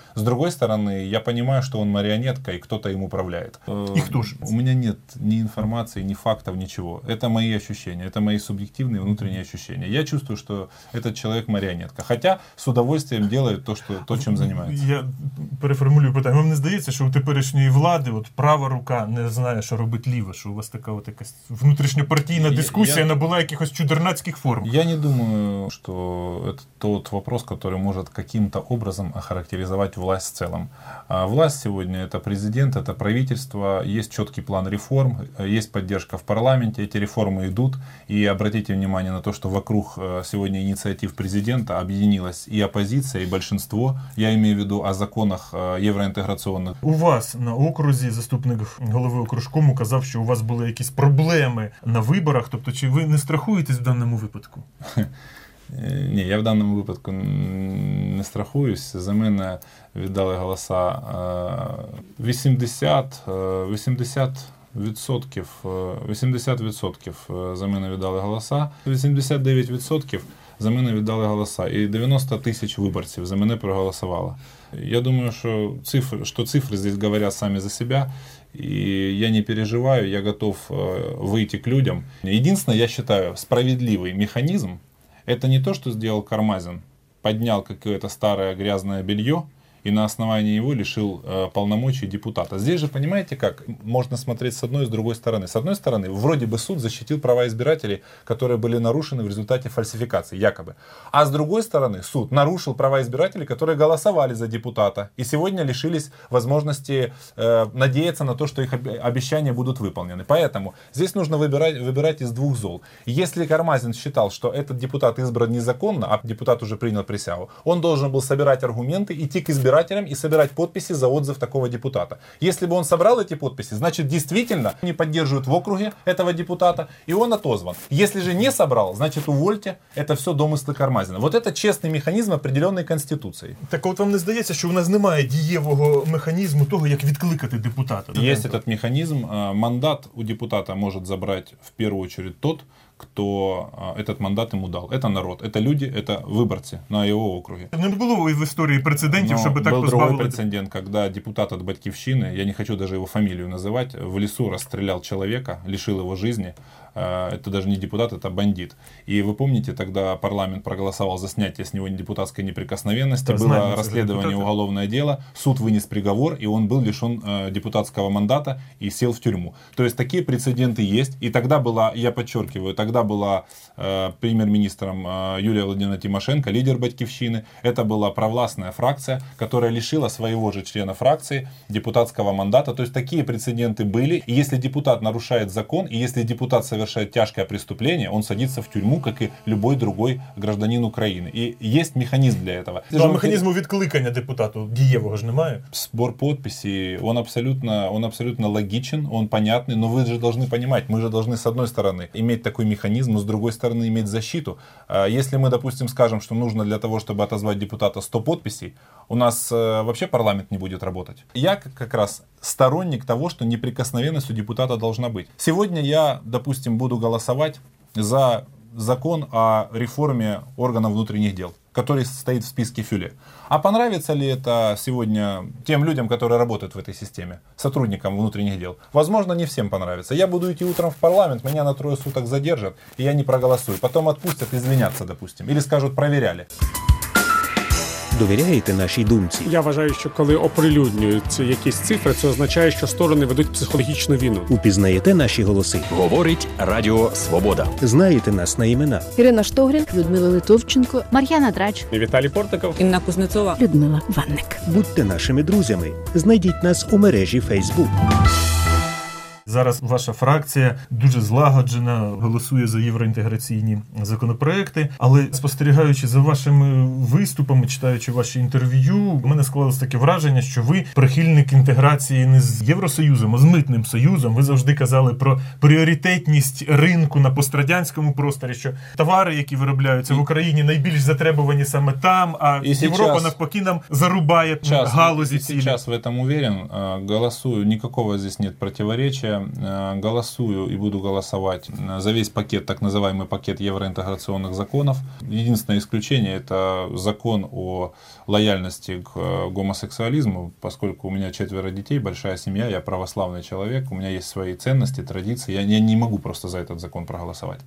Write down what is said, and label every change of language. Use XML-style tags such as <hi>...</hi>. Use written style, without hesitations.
<ru>С другой стороны, я понимаю, что он марионетка, и кто-то им управляет. И кто же? У меня нет ни информации, ни фактов, ничего. Это мои ощущения, это мои субъективные внутренние ощущения. Я чувствую, что этот человек марионетка, хотя с удовольствием делает то, чем занимается. Я переформулирую</ru> <uk>питання. Вам не здається, що у теперішньої влади от права рука не знає, що робить ліва, що у вас така от якась внутрішньопартійна дискусія набула якихось чудернацьких форм?</uk> <ru>Я не думаю, что это тот вопрос, который может каким-то образом охарактеризовать власть в целом. А власть сегодня – это президент, это правительство, есть четкий план реформ, есть поддержка в парламенте, эти реформы идут. И обратите внимание на то, что вокруг сегодня инициатив президента объединилась и оппозиция, и большинство. Я имею в виду о законах евроинтеграционных.</ru> <uk>У вас на окрузі заступник голови окружком указав,</uk> <ru>что у вас были какие-то проблемы на выборах. То есть вы не страхуетесь в данном случае?</ru> <uk>Ні, я в даному випадку не страхуюся. За мене віддали голоса 80% за мене віддали голоса, 89% за мене віддали голоса, і 90 тисяч виборців за мене проголосувало. Я думаю, що цифри</uk> <ru>здесь говорят сами за себя. И я не переживаю, я готов выйти к людям. Единственное, я считаю, справедливый механизм – это не то, что сделал Кармазин, поднял какое-то старое грязное белье и на основании его лишил полномочий депутата. Здесь же, понимаете, как можно смотреть с одной и с другой стороны. С одной стороны, вроде бы суд защитил права избирателей, которые были нарушены в результате фальсификации, якобы. А с другой стороны, суд нарушил права избирателей, которые голосовали за депутата и сегодня лишились возможности надеяться на то, что их обещания будут выполнены. Поэтому здесь нужно выбирать из двух зол. Если Кармазин считал, что этот депутат избран незаконно, а депутат уже принял присягу, он должен был собирать аргументы, идти к избирателям и собирать подписи за отзыв такого депутата. Если бы он собрал эти подписи, значит, действительно, не поддерживают в округе этого депутата, и он отозван. Если же не собрал, значит, увольте, это все домыслы Кармазина. Вот это честный механизм, определенный Конституцией.</ru> <uk>Так вот, вам не здається,</uk> <ru>что</ru> <uk>у нас немає дієвого механізму того, як відкликати депутата?</uk> <ru>Есть этот механизм. Мандат у депутата может забрать в первую очередь тот, кто этот мандат ему дал. Это народ, это люди, это выборцы на его округе. Не было в истории прецедентов, чтобы так позбавили? Был другой прецедент, когда депутат от Батьковщины, я не хочу даже его фамилию называть, в лесу расстрелял человека, лишил его жизни. Это даже не депутат, это бандит. И вы помните, тогда парламент проголосовал за снятие с него депутатской неприкосновенности, да, было знаете, расследование, уголовное дело, суд вынес приговор, и он был лишен депутатского мандата и сел в тюрьму. То есть такие прецеденты есть, и тогда была, я подчеркиваю, тогда была премьер-министром Юлия Владимировна Тимошенко, лидер Батьковщины, это была провластная фракция, которая лишила своего же члена фракции депутатского мандата, то есть такие прецеденты были, и если депутат нарушает закон, и если депутат совершает тяжкое преступление, он садится в тюрьму, как и любой другой гражданин Украины. И есть механизм для этого.</ru> <uk>Но механизму відкликання депутату дієвого ж немає?</uk> <ru>Сбор подписей, он абсолютно логичен, он понятный, но вы же должны понимать, мы же должны с одной стороны иметь такой механизм, но с другой стороны иметь защиту. Если мы, допустим, скажем, что нужно для того, чтобы отозвать депутата 100 подписей, у нас вообще парламент не будет работать. Я как раз сторонник того, что неприкосновенность у депутата должна быть. Сегодня я, допустим, буду голосовать за закон о реформе органов внутренних дел, который стоит в списке Фюле. А понравится ли это сегодня тем людям, которые работают в этой системе, сотрудникам внутренних дел? Возможно, не всем понравится. Я буду идти утром в парламент, меня на трое суток задержат, и я не проголосую. Потом отпустят, извинятся, допустим, или скажут «проверяли».</ru> <uk>Довіряєте нашій думці? Я вважаю, що коли оприлюднюються якісь цифри, це означає, що сторони ведуть психологічну війну. Упізнаєте наші голоси? Говорить Радіо Свобода. Знаєте нас на імена? Ірина Штогрін, Людмила Литовченко, Мар'яна Драч, Віталій Портиков, Інна Кузнецова, Людмила Ванник. Будьте нашими друзями. Знайдіть нас у мережі Facebook. Зараз ваша фракція дуже злагоджена, голосує за євроінтеграційні законопроекти. Але спостерігаючи за вашими виступами, читаючи ваші інтерв'ю, у мене склалось таке враження, що ви прихильник інтеграції не з Євросоюзом, а з Митним Союзом. Ви завжди казали про пріоритетність ринку на пострадянському просторі, що товари, які виробляються в Україні, найбільш затребовані саме там, а Європа навпаки нам зарубає галузі цілі. Зараз в цьому</uk> <ru>уверен,</ru> <uk>голосую, нікакого тут немає противоречия.</uk> <ru>Голосую и буду голосовать за весь пакет, так называемый пакет евроинтеграционных законов. Единственное исключение — это закон о лояльности к гомосексуализму, поскольку у меня четверо детей, большая семья, я православный человек, у меня есть свои ценности, традиции, я не могу просто за этот закон проголосовать.</ru>